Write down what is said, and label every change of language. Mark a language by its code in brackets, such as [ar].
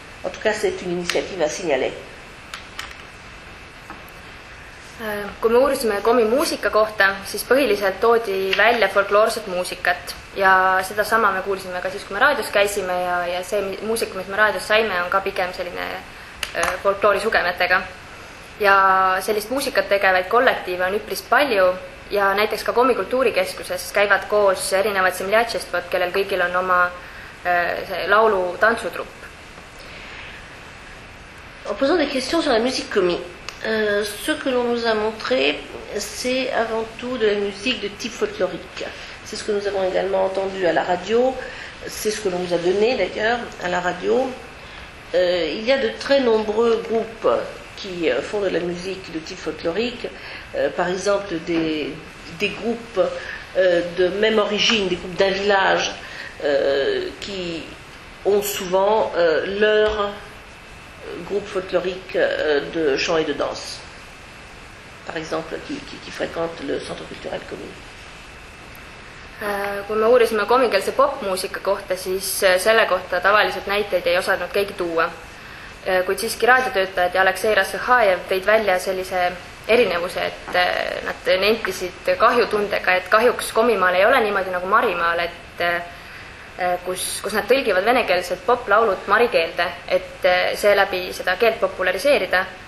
[fr] En tout cas, c'est une initiative à signaler. [et] Kui me uurisime komi muusika kohta, siis põhiliselt toodi välja folkloorset muusikat ja seda sama me kuulsime ka siis, kui me raadios käisime ja see muusik, mis me raadios saime, on ka pigem selline folkloori sugemetega. Ja sellist muusikat tegevaid kollektiive on üpris palju ja näiteks ka komi kultuurikeskuses käivad koos erinevad semljatšestvad, kellel kõigil on oma see laulu tantsutrupp. [fr] En posant des questions sur la musique komi. Ce que l'on nous a montré, c'est avant tout de la musique de type folklorique. C'est ce que nous avons également entendu à la radio, c'est ce que l'on nous a donné d'ailleurs à la radio. Il y a de très nombreux groupes qui font de la musique de type folklorique, par exemple des groupes de même origine, des groupes d'un village qui ont souvent leur groupe folklorique de chant et de danse, par exemple, qui fréquente le centre culturel commun. [et] Kui me uurisime komikeelse popmuusika kohta, siis selle kohta tavaliselt näiteid ei osanud keegi tuua. Kuid siiski raadiotöötajad ja Aleksei Rassahajev tõid välja sellise erinevuse, et nad nentisid kahjutundega, et kahjuks komimaal ei ole niimoodi nagu Marimaal, et kus nad tõlgivad venekeelsed poplaulud marikeelde, et see läbi seda keelt populariseerida.